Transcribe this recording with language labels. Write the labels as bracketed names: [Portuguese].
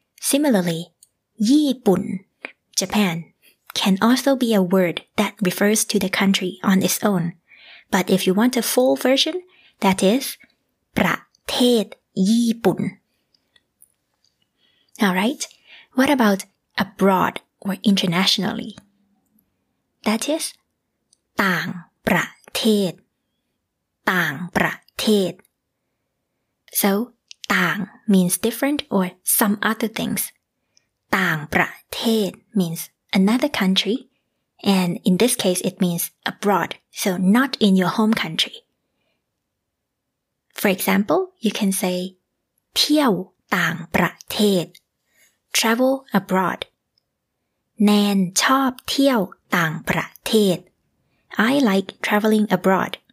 [English] Similarly, ญี่ปุ่น Japan can also be a word that refers to the country on its own But if you want a full version,That is, ประเทศญี่ปุ่น Alright, what about abroad or internationally? That is, ต่างประเทศต่างประเทศ So, ต่าง means different or some other things. ต่างประเทศ means another country. And in this case, it means abroad, so not in your home country. For example, you can say [Thai] เที่ยวต่างประเทศ [English] Travel abroad [Thai] แนนชอบเที่ยวต่างประเทศ [English] I like traveling abroad